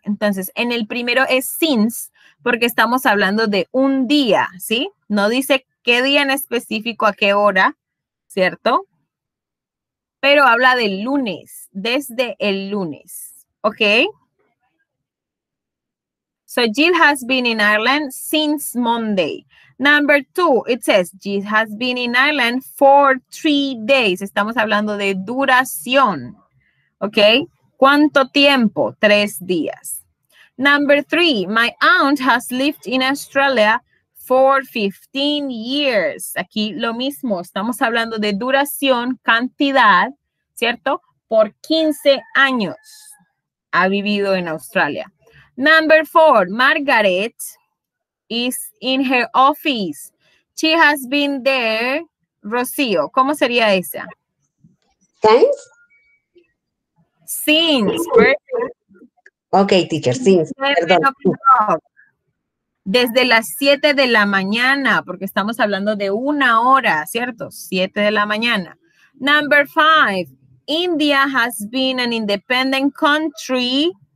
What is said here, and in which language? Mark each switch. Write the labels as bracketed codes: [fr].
[es] Entonces, en el primero es since, porque estamos hablando de un día, ¿sí? No dice qué día en específico, a qué hora, ¿cierto? Pero habla del lunes, desde el lunes, ¿ok? [en] So, Jill has been in Ireland since Monday. Number two, it says, Jill has been in Ireland for 3 days. [es] Estamos hablando de duración, ¿ok? ¿Cuánto tiempo? 3 días. [en] Number three, my aunt has lived in Australia for 15 years. [es] Aquí lo mismo, estamos hablando de duración, cantidad, ¿cierto? Por 15 años ha vivido en Australia. [en] Number four, Margaret is in her office. She has been there, Rocío. [es] ¿Cómo sería esa? [en] Thanks. Since. Ok, teacher, since. Perdón. [es] Desde las 7 de la mañana, porque estamos hablando de una hora, ¿cierto? 7 de la mañana. [en] Number five, India has been an independent country.